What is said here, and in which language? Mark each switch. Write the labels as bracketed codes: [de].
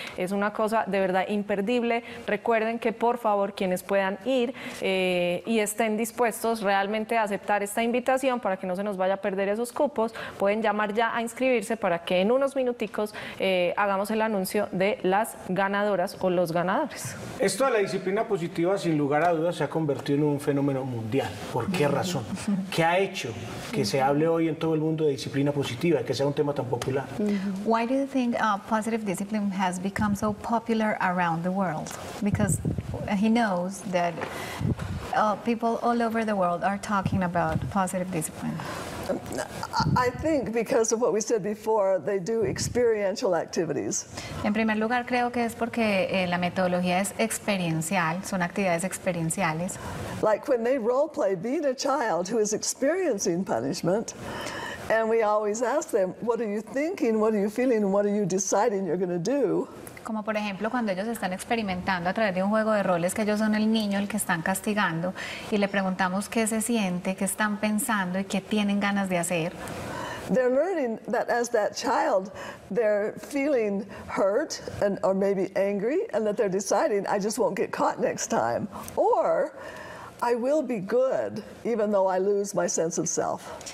[es] Es una cosa de verdad imperdible. Recuerden que por favor quienes puedan ir y estén dispuestos realmente a aceptar esta invitación para que no se nos vaya a perder esos cupos, pueden llamar ya a inscribirse para que en unos minuticos hagamos el anuncio de las ganadoras o los ganadores. Esto de la disciplina positiva, sin lugar a dudas, se ha convertido en un fenómeno mundial. ¿Por qué razón? ¿Qué ha hecho que se hable hoy en todo el mundo de disciplina positiva, que sea un tema tan popular? [en] Why do you think positive discipline has become so popular around the world? Because he knows that people all over the world are talking about positive discipline. I think because of what we said before, they do experiential activities. [es] En primer lugar, creo que es porque la metodología es experiencial, son actividades experienciales. [en] Like when they role play being a child who is experiencing punishment, and we always ask them, what are you thinking, what are you feeling, what are you deciding you're going to do? [es] Como por ejemplo cuando ellos están experimentando a través de un juego de roles que ellos son el niño el que están castigando y le preguntamos qué se siente, qué están pensando y qué tienen ganas de hacer. [en] They're learning that as that child, they're feeling hurt and or maybe angry and that they're deciding I just won't get caught next time or I will be good even though I lose my sense of self.